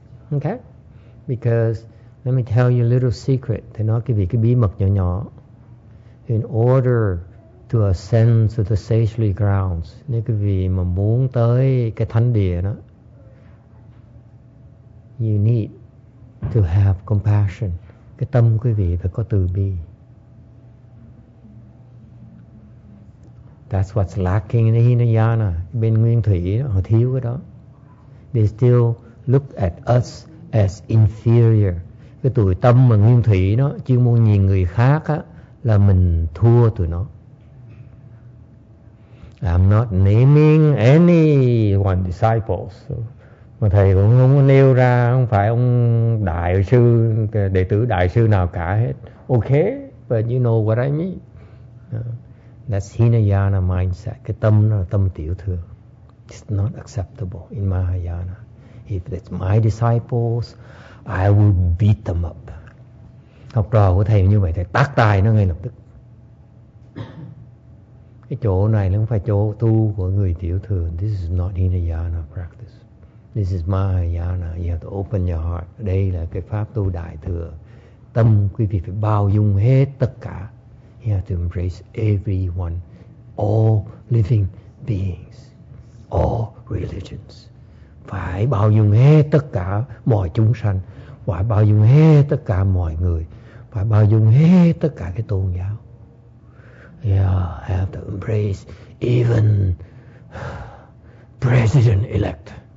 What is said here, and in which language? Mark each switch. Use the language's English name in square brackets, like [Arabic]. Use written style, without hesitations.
[English] Okay, because let me tell you a little secret. [Vietnamese] Thầy nói quý vị cái bí mật nhỏ. [English] In order to ascend to the saintly grounds, [Vietnamese] nếu quý vị mà muốn tới cái thánh địa đó, [English] you need to have compassion. [Vietnamese] Cái tâm quý vị phải có từ bi. [English] That's what's lacking in the Hinayana. [Vietnamese] Bên nguyên thủy họ thiếu cái đó. [English] They still look at us as inferior. [Vietnamese] Cái tuổi tâm mà nguyên thủy đó chuyên môn nhìn người khác á, là mình thua tụi nó. [English] I'm not naming any one disciples. [Vietnamese] Mà thầy cũng không có nêu ra, không phải ông đại sư, đệ tử đại sư nào cả hết. [English] Okay, but you know what I mean. That's Hinayana mindset. [Vietnamese] Cái tâm nó là tâm tiểu thừa. [English] It's not acceptable in Mahayana. If it's my disciples, I will beat them up. [Vietnamese] Học trò của thầy như vậy, thầy tát tay nó ngay lập tức. Cái chỗ này nó không phải chỗ tu của người tiểu thừa. [English] This is not Hinayana practice. This is Mahayana. You have to open your heart. [Vietnamese] Đây là cái pháp tu đại thừa. Tâm quý vị phải bao dung hết tất cả. [English] You have to embrace everyone, all living beings, all religions. [Vietnamese] Phải bao dung hết tất cả mọi chúng sanh. Phải bao dung hết tất cả mọi người. Phải bao dung hết tất cả cái tôn giáo. [English] Yeah, have to embrace even president elect.